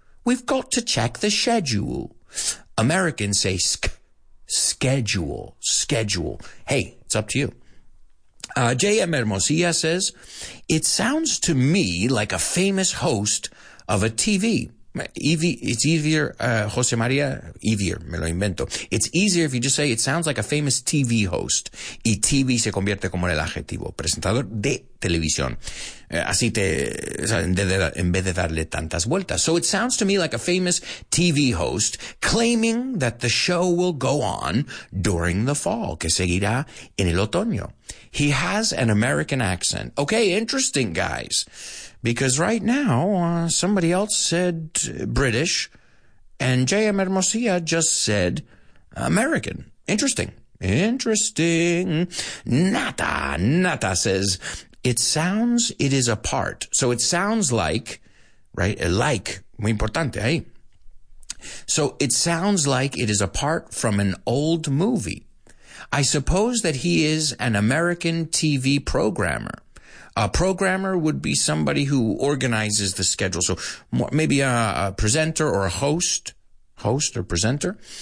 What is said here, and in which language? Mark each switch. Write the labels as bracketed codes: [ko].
[en] We've got to check the schedule. Americans say schedule, schedule. Hey, it's up to you. J.M. Hermosilla says, it sounds to me like a famous host of a TV. It's easier, Jose Maria, easier, [es] me lo invento. [en] It's easier if you just say it sounds like a famous TV host. [es] Y TV se convierte como en el adjetivo, presentador de televisión. Así te, en vez de darle tantas vueltas. [en] So it sounds to me like a famous TV host claiming that the show will go on during the fall, [es] que seguirá en el otoño. [en] He has an American accent. Okay, interesting, guys. Because right now, somebody else said British, and J.M. Hermosilla just said American. Interesting. Interesting. Nata. Nata says, it is a part. So it sounds like, right, like, [es] muy importante, ¿eh? [en] So it sounds like it is a part from an old movie. I suppose that he is an American TV programmer. A programmer would be somebody who organizes the schedule. So maybe a presenter or a host or presenter.